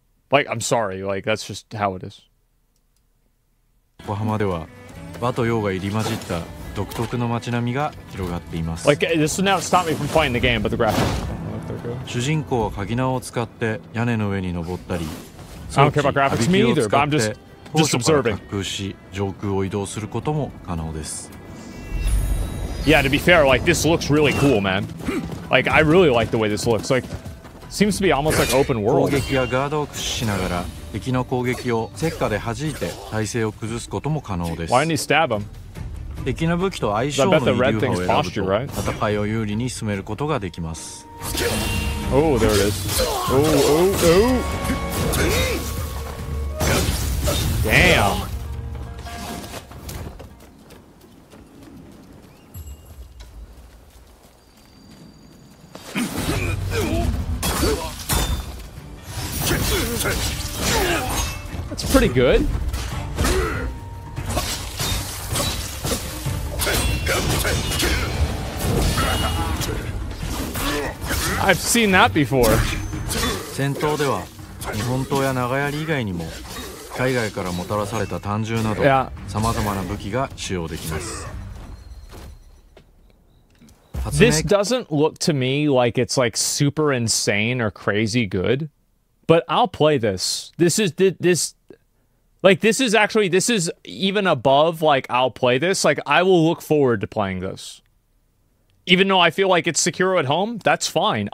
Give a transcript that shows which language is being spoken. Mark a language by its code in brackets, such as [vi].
[en] Like, I'm sorry, like, that's just how it is. [ja] Yokohama では、和と洋が入り混じった独特の街並みが広がっています。 [en] Like, this will not stop me from playing the game, but the graphics. [ja] 主人公は鍵縄を使って屋根の上に登ったり、 [en] I don't care about graphics, me either, but I'm just observing. [ja] 当初から滑空し、上空を移動することも可能です。 [en] Yeah, to be fair, like, this looks really cool, man. Like, I really like the way this looks. Like, seems to be almost like open world. [ja] 攻撃やガードを駆使しながら、敵の攻撃を石化で弾いて体勢を崩すことも可能です。 [en] Why didn't he stab him? [ja] 敵の武器と相性の異流派を選ぶと、戦いを有利に進めることができます。 [en] Oh, there it is. Oh, oh, oh. Damn. That's pretty good. I've seen that before. [ja] 戦闘では日本刀や長槍以外にも海外からもたらされた短銃などさまざまな武器が使用できます。 [en] This doesn't look to me like it's like super insane or crazy good, but I'll play this. This is even above, like, I'll play this. Like, I will look forward to playing this. Even though I feel like it's Sekiro at home, that's fine.